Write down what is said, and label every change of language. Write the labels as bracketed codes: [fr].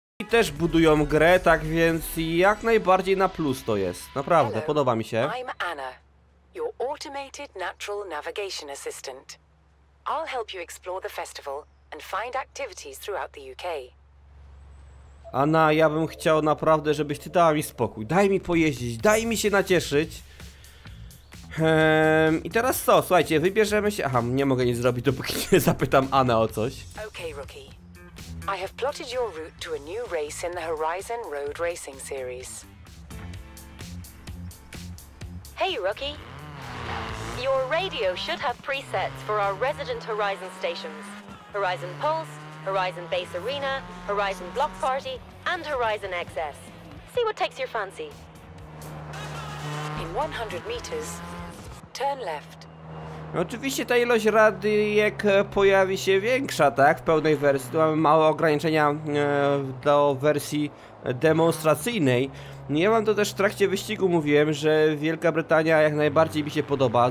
[pl] Też budują grę, tak więc jak najbardziej na plus to jest. Naprawdę, [en] hello, [pl] podoba mi się. [en] I'm Anna, your automated natural navigation assistant. I'll help you explore the festival and find activities throughout the UK. [pl] Anna, ja bym chciał naprawdę, żebyś ty dała mi spokój. Daj mi pojeździć, daj mi się nacieszyć. I teraz co? Słuchajcie, wybierzemy się. Aha, nie mogę nic zrobić, dopóki nie zapytam Anę o coś. [en] Okay, rookie. I have plotted your route to a new race in the Horizon Road Racing Series. Hey, rookie. Your radio should have presets for our resident Horizon stations. Horizon Pulse, Horizon Base Arena, Horizon Block Party, and Horizon XS. See what takes your fancy. In 100 meters, turn left. [pl] Oczywiście ta ilość radijek pojawi się większa, tak, w pełnej wersji. Tu mamy małe ograniczenia do wersji demonstracyjnej. Ja wam to też w trakcie wyścigu mówiłem, że Wielka Brytania jak najbardziej mi się podoba.